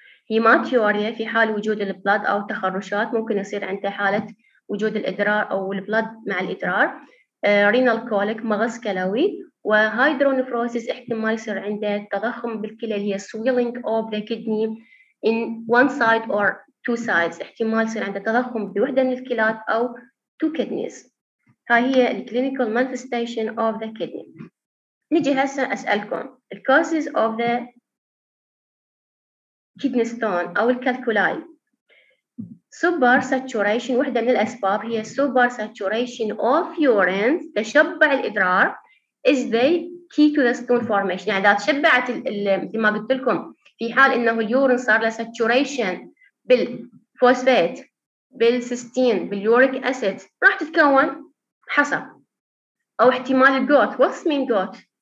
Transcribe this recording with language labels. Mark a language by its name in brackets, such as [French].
[Arabic] هيماتيوريا في حال وجود البلد أو تخرشات ممكن يصير عنده حالة وجود الإدرار أو البلد مع الإدرار. رينال كوليك مغص كلوي وهايدرونفروسيس احتمال يصير عنده تضخم بالكلى اللي هي [English] swelling of the kidney in one side or two sides [Arabic] احتمال يصير عنده تضخم بوحدة من الكلات أو [English] two kidneys. ها هي the clinical manifestation of the kidney. [Arabic] نجي هسه أسألكم [English] the causes of the kidney stone أو الكالكولاي. super saturation [Arabic] واحدة من الأسباب هي [English] super saturation of urine [Arabic] تشبع الإدرار [English] is the key to the stone formation. [Arabic] يعني إذا تشبعت مثل ما قلت لكم في حال إنه اليورين صار له saturation بالفوسفات بالسستين باليوريك أسيد راح تتكون حصى أو احتمال الجوت. [English] What's mean goat؟